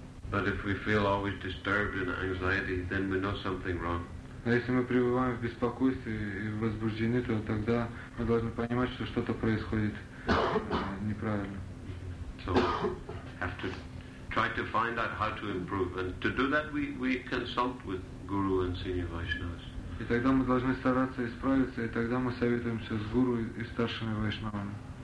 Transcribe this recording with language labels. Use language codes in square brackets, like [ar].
[en] But if we feel always disturbed and anxiety, then we know something wrong. [ru] А если мы пребываем в беспокойстве и возбуждены, то тогда мы должны понимать, что что-то происходит неправильно. [en] So have to try to find out how to improve, and to do that we consult with Guru and senior Vaishnavas. [ru] И тогда мы должны стараться исправиться, и тогда мы советуемся с Гуру и старшими Вайшнавами.